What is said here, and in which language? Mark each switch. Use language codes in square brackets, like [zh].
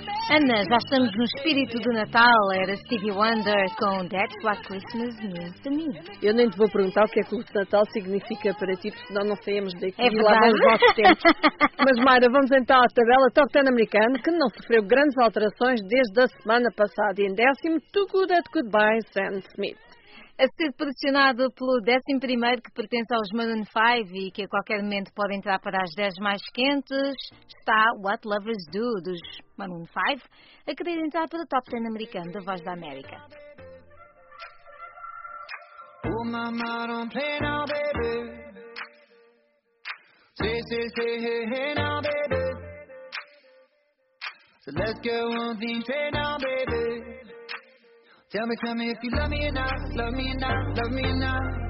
[pt] Ana, já estamos no espírito do Natal. Era Stevie Wonder com That's What Christmas Means to Me. Eu nem te vou perguntar o que é que o Natal significa para ti, porque senão não saímos daqui. É verdade. Lá vamos aos tempos. Mas Mayra, vamos então à tabela Top 10 americana, que não sofreu grandes alterações desde a semana passada. E em décimo, Too Good at Goodbye, Sam Smith. A ser posicionado pelo 11º, que pertence aos Maroon 5 e que a qualquer momento pode entrar para as 10 mais quentes, está What Lovers Do, dos Maroon 5, a querer entrar para o Top 10 americano da Voz da América. [en] Oh, mama, don't play now, baby. Say, say, say, hey, now, baby. So let's go on the train now, baby. Tell me if you love me or not, love me or not, love me or not.